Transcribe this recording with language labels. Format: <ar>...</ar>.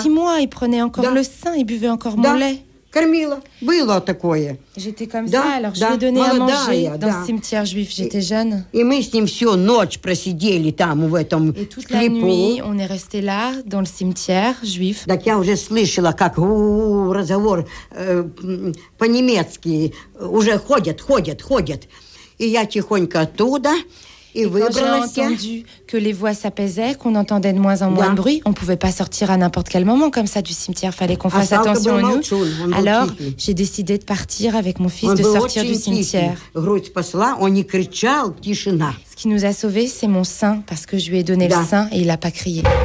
<fr>6 mois, il prenait encore</fr> <ru>да.</ru> <fr>Le sein, il buvait encore</fr> <ru>да.</ru> <fr>Mon lait.</fr> <ru>Кормила. Было такое.</ru> <fr>J'étais comme</fr> <ru>да.</ru> <fr>Ça, alors да. Je lui donnais</fr> <ru>Молодая,</ru> <fr>à manger dans</fr> <ru>да.</ru> <fr>Ce cimetière juif, j'étais jeune.</fr> <ru>И мы с ним всю ночь просидели там, в этом</ru> <fr>Et toute la nuit, on est resté là, dans le cimetière juif.</fr> <ru>Так я уже слышала, как разговор по-немецки, уже ходят. И я тихонько оттуда...</ru> <fr>Et quand j'ai entendu que les voix s'apaisaient, qu'on entendait de moins en moins de bruit, on ne pouvait pas sortir à n'importe quel moment comme ça du cimetière, il fallait qu'on fasse attention à nous. Alors, j'ai décidé de partir avec mon fils, de sortir du cimetière. Ce qui nous a sauvés, c'est mon sein, parce que je lui ai donné le sein et il n'a pas crié.</fr>